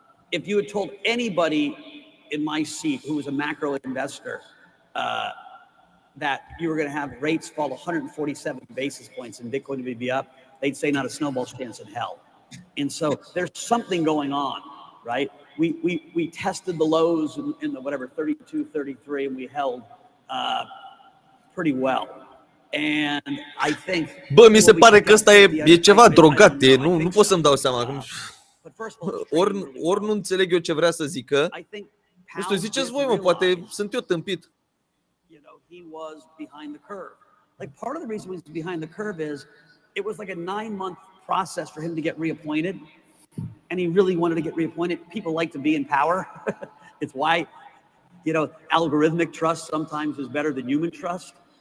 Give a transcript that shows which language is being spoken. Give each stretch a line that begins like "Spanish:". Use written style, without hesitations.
English: If you had told anybody in my seat who was a macro investor that you were going to have rates fall 147 basis points and Bitcoin would be up, they'd say not a snowball's chance in hell. And so there's something going on, right? We tested the lows in the whatever 32, 33, and we held pretty well. And I think.
Romanian: Bă, mi se pare că ăsta e ceva drogat, nu pot să-mi dau seama. Ori nu înțeleg eu ce vrea să zică. Nu știu, ziceți voi, mă, poate sunt eu tâmpit.
English: He was behind the curve. Like part of the reason he was behind the curve is it was like a 9-month process for him to get reappointed, and he really wanted to get reappointed. People like to be in power. It's why, you know, algorithmic trust sometimes is better than human trust.